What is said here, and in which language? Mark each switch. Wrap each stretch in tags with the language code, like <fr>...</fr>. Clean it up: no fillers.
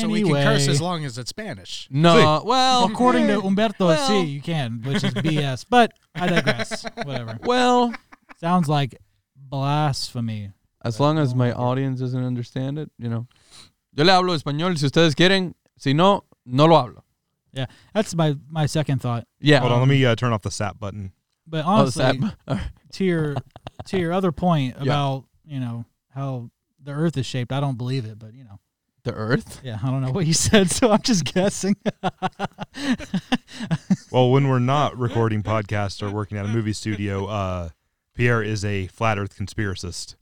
<en>So we can curse as long as it's Spanish.</en> <es>No, sí.</es> <en>Well. According to Humberto, well.</en> <es>Sí,</es> <en>you can, which is BS, but I digress, whatever. Well. Sounds like blasphemy. As long as my audience doesn't understand it, you know.</en> <es>Yo le hablo español si ustedes quieren, si no, no lo hablo.</es> <en>Yeah, that's my second thought. Yeah. Hold on, let me turn off the SAP button. But honestly, to your other point about, you know, how the earth is shaped, I don't believe it, but, you know. The earth? Yeah, I don't know what you said, so I'm just guessing. Well, when we're not recording podcasts or working at a movie studio, Pierre is a flat earth conspiracist.</en>